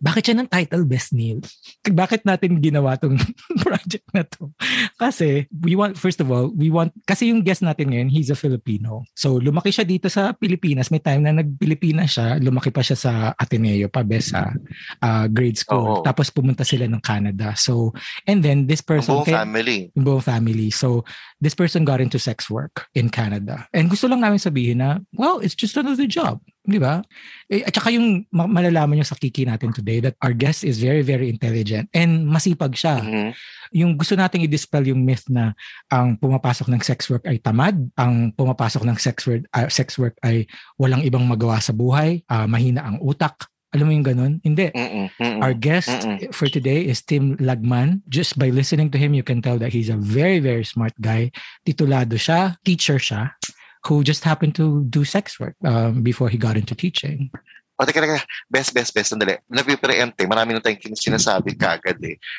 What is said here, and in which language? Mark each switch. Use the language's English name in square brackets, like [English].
[Filipino] Bakit yan ang title, Best Neil? Bakit natin ginawa tong project na to? Kasi, [English] first of all, [Filipino] kasi yung [English] guest [Filipino] natin ngayon, [English] he's a Filipino. [Filipino] So, lumaki siya dito sa Pilipinas. May time na nag-Pilipina siya, lumaki pa siya sa Ateneo pa, Besa, grade school. Oh. Tapos pumunta sila ng Canada. [English] So, and then this person... [Filipino] Buong family. [English] So, this person got into sex work in Canada. [Filipino] And gusto lang namin sabihin na, [English] well, it's just another job. [Filipino] Di ba? Eh, at saka yung malalaman nyo sa kiki natin [English] today that our guest is very, very intelligent and [Filipino] masipag siya. Mm-hmm. Yung gusto nating i-dispel yung myth na ang pumapasok ng sex work ay tamad, ang pumapasok ng sex work ay walang ibang magawa sa buhay, mahina ang utak. Alam mo yung ganun? Hindi. Mm-mm. [English] Our guest for today is Tim Lagman. Just by listening to him, you can tell that he's a very, very smart guy. [Filipino] Titulado siya, teacher siya, [English] who just happened to do sex work before he got into teaching. [Filipino] Oh, teka. Best. Sandali. Napipreente. Maraming na tayong sinasabi kagad eh.